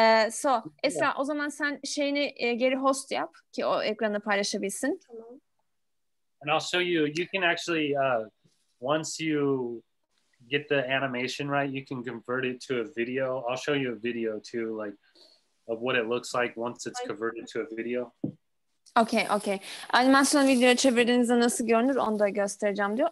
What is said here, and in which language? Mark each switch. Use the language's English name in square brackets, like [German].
[Turkish] So Esra, o zaman sen Shane'i geri host yap ki o ekranı paylaşabilsin. Tamam. [English] And I'll show you, you can actually, once you get the animation right, you can convert it to a video. I'll show you a video too, like, of what it looks like once it's converted to a video. Okay, okay. [Turkish] Animasyon videoya çevirdiğinizde nasıl görünür onu da göstereceğim diyor.